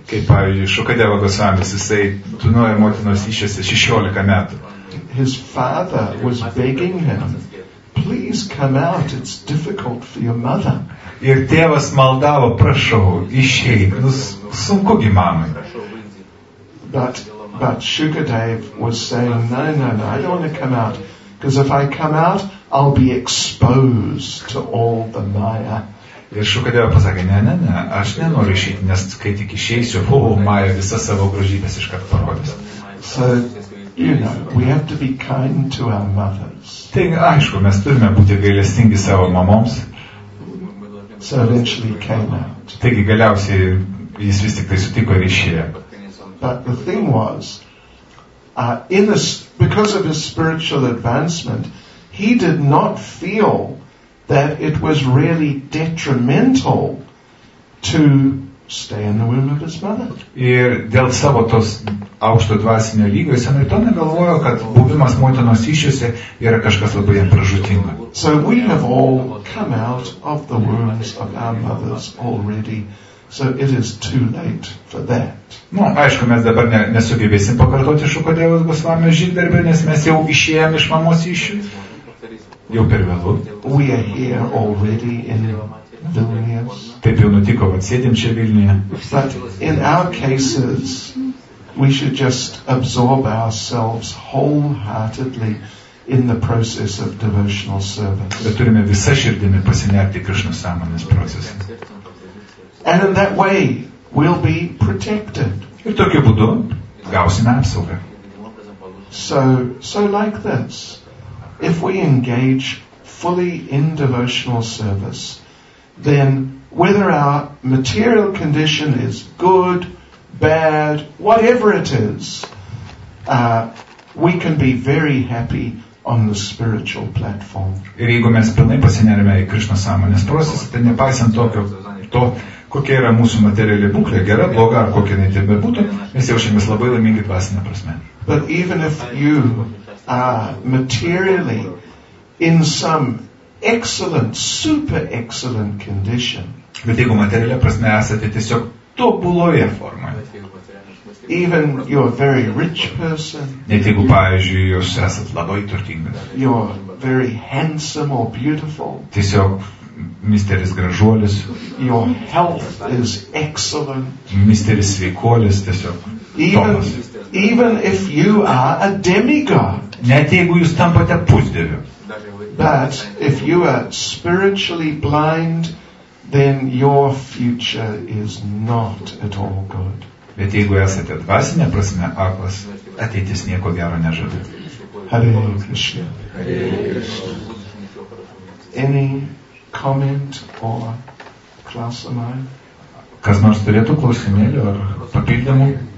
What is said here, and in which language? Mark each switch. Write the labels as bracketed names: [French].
[Lithuanian] Kaip pavyzdžiui, Shukadeva Goswami, jisai tūnojo motinos įsčiose 16 metų. [English] His father was begging him, please come out, it's difficult for your mother. [Lithuanian] Ir tėvas maldavo, prašau, išeik, nu sunku gi mamai. [English] But Shukadev was saying, no, I don't want to come out, because if I come out, I'll be exposed to all the Maya. [Lithuanian] Ir Shukadeva pasakė, ne, aš nenoriu išeiti, nes kai tik išeisiu, buvo Maya visas savo grožybės iškart parodys. [English] So, you know, we have to be kind to our mothers. [Lithuanian] Taigi, aišku, mes turime būti gailestingi savo mamoms. [English] So eventually came out. [Lithuanian] Taigi, galiausiai, jis vis tik tai sutiko ir išėjo. [English] But the thing was, because of his spiritual advancement, he did not feel that it was really detrimental to stay in the womb of his mother. [Lithuanian] Ir dėl savo tos aukšto dvasinio lygio, jis anaip to negalvojo, kad buvimas motinos įsčiose yra kažkas labai pražūtinga. [English] So we have all come out of the wombs of our mothers already. So it is too late for that. [Lithuanian] Nu, aišku, mes dabar nesugebėsim pakartoti Shukadevos Goswami žygdarbį, nes mes jau išėjom iš mamos įsčių. Jau per vėlų. [English] We are here already in Vilnius. [Lithuanian] Taip jau nutiko, kad sėdėm čia Vilniuje. [English] But in our cases, we should just absorb ourselves wholeheartedly in the process of devotional service. [Lithuanian] Bet turime visą širdimi pasinerti Krishna samanės procesą. [English] And in that way we'll be protected. [Lithuanian] Ir tokiu būdu gausime apsaugą. [English] So like this, if we engage fully in devotional service, then whether our material condition is good, bad, whatever it is, we can be very happy on the spiritual platform. [Lithuanian] Ir jeigu mes pilnai pasineriame į Krishna sąmonės procesą, tai nepaisant to, kokia yra mūsų materialė būklė, gera, bloga, ar kokia jinai tebe būtų, mes jaučiamės labai laimingi dvasinė prasme. [English] But even if you are materially in some excellent, super excellent condition, [Lithuanian] bet jeigu materialė prasme esate tiesiog tobuloje formoje, [English] even you're a very rich person, [Lithuanian] net jeigu, pavyzdžiui, jūs esat labai turtingas, [English] you're very handsome or beautiful, [Lithuanian] tiesiog misteris gražuolis, [English] your health is excellent, [Lithuanian] misteris sveikuolis, tiesiog [English] Tomas. Even if you are a demigod, [Lithuanian] net jeigu jūs tampate pusdieviu, [English] but if you are spiritually blind, then your future is not at all good. [Lithuanian] Bet jeigu esate dvasinė prasme aklas, ateitis nieko gero nežada. [Sanskrit] Hare Krishna. [English] Any comment or [Lithuanian] klausimai? Kas nors turėtų klausimėlį ar papildymų?